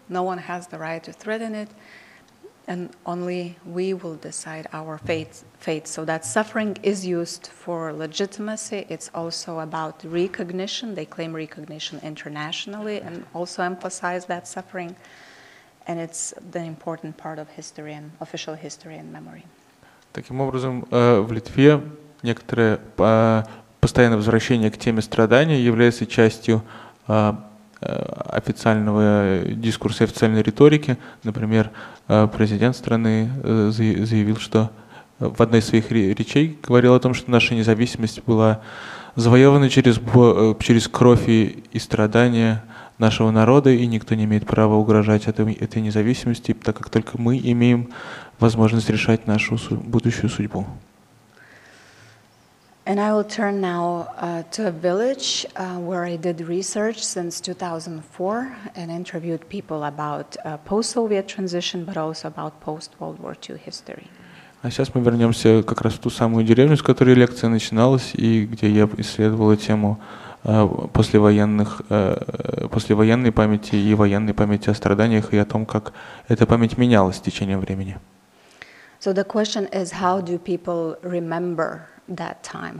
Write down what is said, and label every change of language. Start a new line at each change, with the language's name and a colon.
English: No one has the right to threaten it. And only we will decide our fate. So that suffering is used for legitimacy. It's also about recognition. They claim recognition internationally and also emphasize that suffering. And it's the important part of history and official history and memory.
Russian: Таким образом, в Литве некоторое постоянное возвращение к теме страдания является частью официального дискурса, официальной риторики. Например, президент страны заявил, что в одной из своих речей говорил о том, что наша независимость была завоевана через кровь и страдания нашего народа, и никто не имеет права угрожать этой независимости, так как только мы имеем возможность решать нашу будущую судьбу.
English: And I will turn now to a village where I did research since 2004 and interviewed people about post-Soviet transition, but also about post-World War II history.
Russian: А сейчас мы вернемся как раз в ту самую деревню, с которой лекция начиналась и где я исследовала тему послевоенной памяти и военной памяти о страданиях и о том, как эта память менялась с течением времени.
English: So the question is, how do people remember that time?